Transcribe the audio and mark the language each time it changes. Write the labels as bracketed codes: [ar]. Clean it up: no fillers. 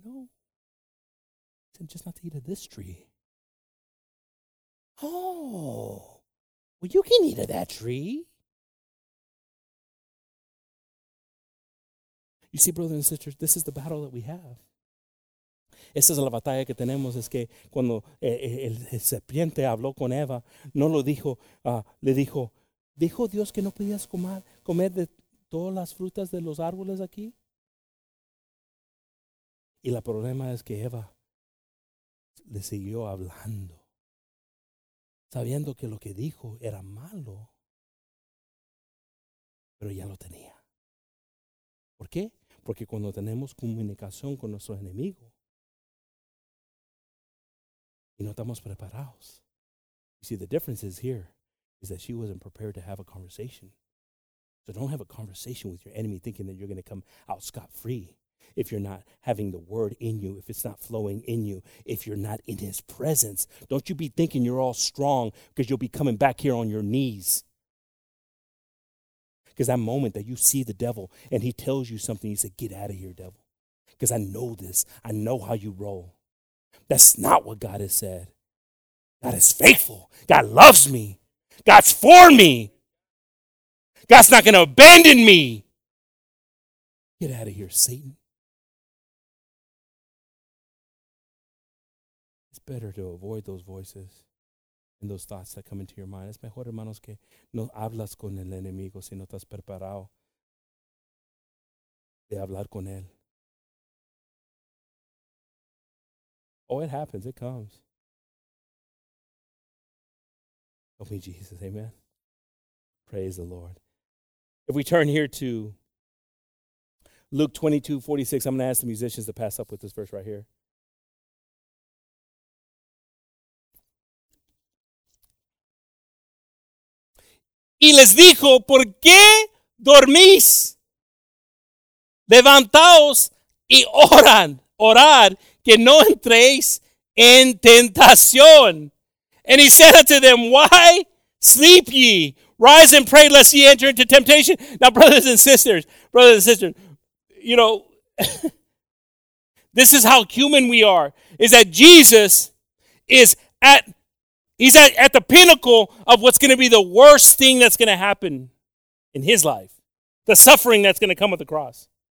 [en] He said, just not to eat of this tree. Oh, well, you can eat of that tree. You see, brothers and sisters, this is the battle that we have. [es] Esa es la batalla que tenemos. Es que cuando el serpiente habló con Eva, no lo dijo, le dijo, ¿dijo Dios que no podías comer de todas las frutas de los árboles aquí? Y la problema es que Eva le siguió hablando, sabiendo que lo que dijo era malo, pero ya lo tenía. ¿Por qué? Porque cuando tenemos comunicación con nuestro enemigo y no estamos preparados. [en] You see, the difference is here is that she wasn't prepared to have a conversation. So don't have a conversation with your enemy thinking that you're going to come out scot-free if you're not having the word in you, if it's not flowing in you, if you're not in his presence. Don't you be thinking you're all strong because you'll be coming back here on your knees. Because that moment that you see the devil and he tells you something, you say, get out of here, devil. Because I know this. I know how you roll. That's not what God has said. God is faithful. God loves me. God's for me. God's not going to abandon me. Get out of here, Satan. It's better to avoid those voices and those thoughts that come into your mind. [es] Es mejor, hermanos, que no hablas con el enemigo si no estás preparado de hablar con él. [en] Oh, it happens. It comes. Help me, Jesus. Amen. Praise the Lord. If we turn here to Luke 22:46, I'm going to ask the musicians to pass up with this verse right here. [es] Y les dijo, ¿por qué dormís? Levantaos y orad, que no entréis en tentación. [en] And he said unto them, why sleep ye? Rise and pray, lest ye enter into temptation. Now, brothers and sisters, you know, this is how human we are, is that Jesus is at the pinnacle of what's going to be the worst thing that's going to happen in his life, the suffering that's going to come with the cross.